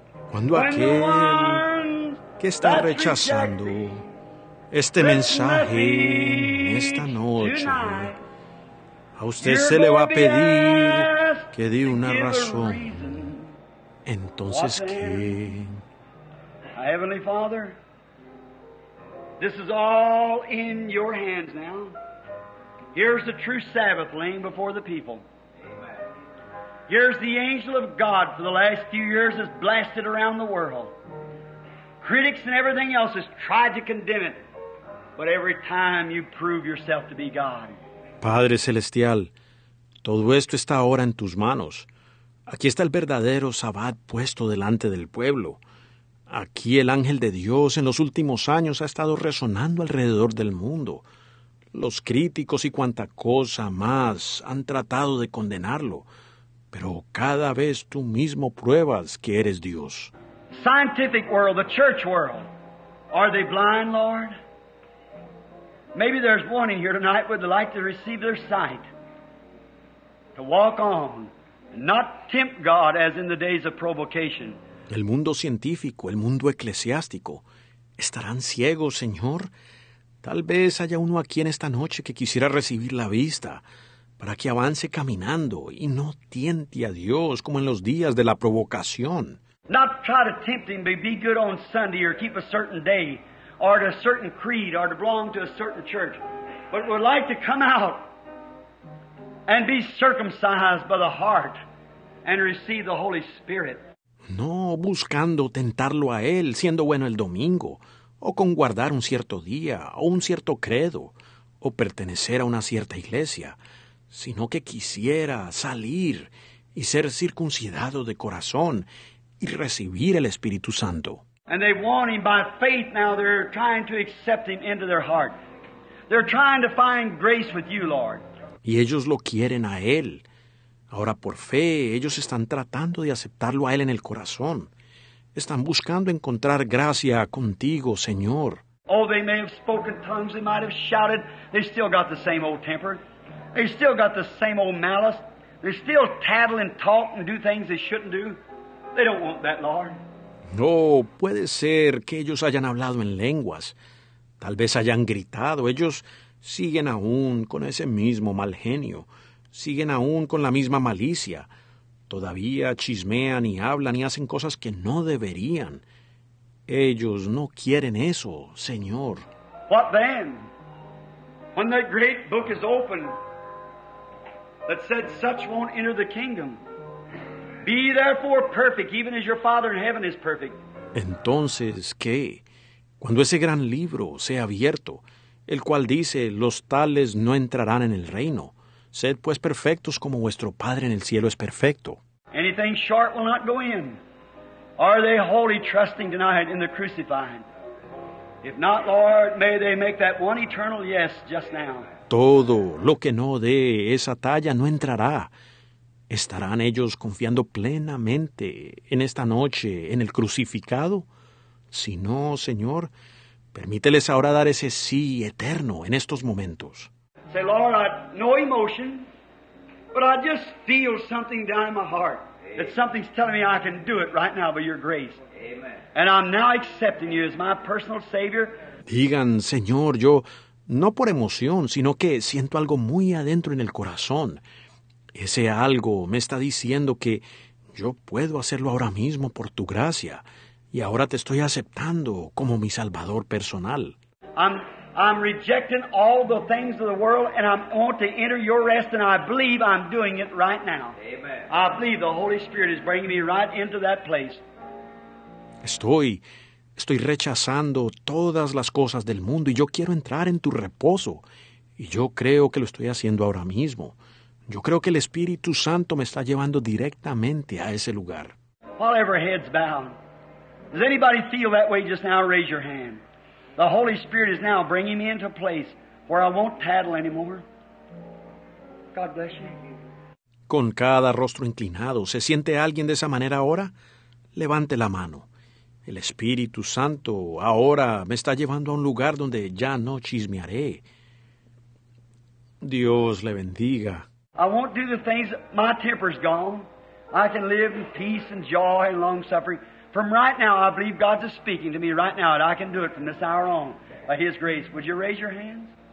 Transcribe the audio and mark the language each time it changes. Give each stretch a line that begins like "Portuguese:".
Spanish: Cuando aquel que está rechazando este mensaje esta noche, a usted se le va a pedir que dé una razón, entonces, ¿qué?
English: Heavenly Father, this is all in your hands now. Here's the true Sabbath laying before the people. Amen. Here's the angel of God for the last few years has blasted around the world. Critics and everything else has tried to condemn it, but every time you prove yourself to be God.
Spanish: Padre Celestial, todo esto está ahora en tus manos. Aquí está el verdadero Sabbath puesto delante del pueblo. Aquí el ángel de Dios en los últimos años ha estado resonando alrededor del mundo. Los críticos y cuanta cosa más han tratado de condenarlo, pero cada vez tú mismo pruebas que eres Dios.
English: Scientific world, the church world, are they blind, Lord? Maybe there's one in here tonight would like to receive their sight, to walk on, and not tempt God as in the days of provocation.
Spanish: El mundo científico, el mundo eclesiástico, ¿estarán ciegos, Señor? Tal vez haya uno aquí en esta noche que quisiera recibir la vista para que avance caminando y no tiente a Dios como en los días de la provocación.
English: Not try to tempt him, but be good on Sunday or keep a certain day or to a certain creed or to belong to a certain church. But would like to come out and be circumcised by the heart and receive the Holy Spirit.
Spanish: No buscando tentarlo a él, siendo bueno el domingo, o con guardar un cierto día, o un cierto credo, o pertenecer a una cierta iglesia, sino que quisiera salir y ser circuncidado de corazón y recibir el Espíritu Santo.
English: And they want him by faith now, they're trying to accept him into their heart. They're trying to find grace with you, Lord.
Spanish: Y ellos lo quieren a él. Ahora, por fe, ellos están tratando de aceptarlo a él en el corazón. Están buscando encontrar gracia contigo, Señor.
English: Oh, they may have spoken tongues, they might have shouted. They still got the same old temper. They still got the same old malice. They still tattle and talk and do things they shouldn't do. They don't want that, Lord.
Spanish: No, puede ser que ellos hayan hablado en lenguas. Tal vez hayan gritado. Ellos siguen aún con ese mismo mal genio. Siguen aún con la misma malicia. Todavía chismean y hablan y hacen cosas que no deberían. Ellos no quieren eso, Señor.
English: What then? When that great book is open that said such won't enter the kingdom. Be therefore perfect, even as your Father in heaven is perfect.
Spanish: Entonces, ¿qué? Cuando ese gran libro sea abierto, el cual dice, los tales no entrarán en el reino. Sed pues perfectos como vuestro Padre en el cielo es perfecto.
English: Anything short will not go in. Are they wholly trusting tonight in the crucifying? If not, Lord, may they make that one eternal yes just now.
Spanish: Todo lo que no dé esa talla no entrará. ¿Estarán ellos confiando plenamente en esta noche, en el crucificado? Si no, Señor, permíteles ahora dar ese sí eterno en estos momentos.
English: Say, Lord, no emotion, but I just feel something down in my heart. That something's telling me I can do it right now by your grace. And I'm now accepting you as my personal Savior.
Spanish: Digan, Señor, yo, no por emoción, sino que siento algo muy adentro en el corazón. Ese algo me está diciendo que yo puedo hacerlo ahora mismo por tu gracia. Y ahora te estoy aceptando como mi Salvador personal.
English: I'm rejecting all the things of the world, and I want to enter your rest, and I believe I'm doing it right now. Amen. I believe the Holy Spirit is bringing me right into that place.
Spanish: Estoy rechazando todas las cosas del mundo y yo quiero entrar en tu reposo. Y yo creo que lo estoy haciendo ahora mismo. Yo creo que el Espíritu Santo me está llevando directamente a ese lugar.
English: While every head's bowed, does anybody feel that way just now? Raise your hand. The Holy Spirit is now bringing me into a place where I won't tattle anymore. God bless you.
Spanish: Con cada rostro inclinado, ¿se siente alguien de esa manera ahora? Levante la mano. El Espíritu Santo ahora me está llevando a un lugar donde ya no chismearé. Dios le bendiga.
English: I won't do the things that my temper's gone. I can live in peace and joy and long-suffering. From right now, I believe God is speaking to me right now, and I can do it from this hour on by His grace. Would you raise your hands?